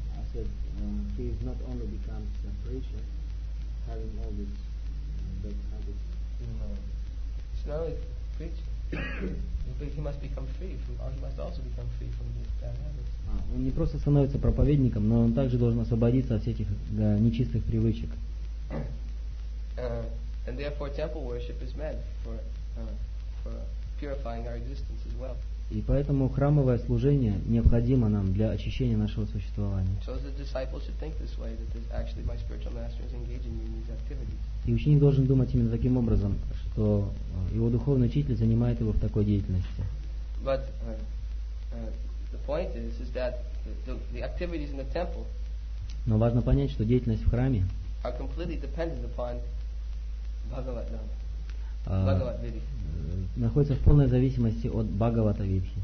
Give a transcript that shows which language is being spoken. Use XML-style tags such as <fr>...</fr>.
<en>I said he is not only becomes a preacher, having all these bad habits. No. So now he's preacher. But he must become free from, or he must also become free from these bad habits.</en> <ru>Он не просто становится проповедником, но он также должен освободиться от всяких нечистых привычек.</ru> <en>And therefore temple worship is meant for purifying our existence as well.</en> <ru>И поэтому храмовое служение необходимо нам для очищения нашего существования.</ru> <en>So the disciples should think this way, that actually my spiritual master is engaging me in these activities.</en> <ru>И ученик должен думать именно таким образом, что его духовный учитель занимает его в такой деятельности.</ru> <en>But the point is that the activities in the temple.</en> <ru>Но важно понять, что деятельность в храме.</ru> <en>Are completely dependent upon Bhagavad-Dhamma.</en> <ru>Находится в полной зависимости от Бхагавата-Видхи.</ru>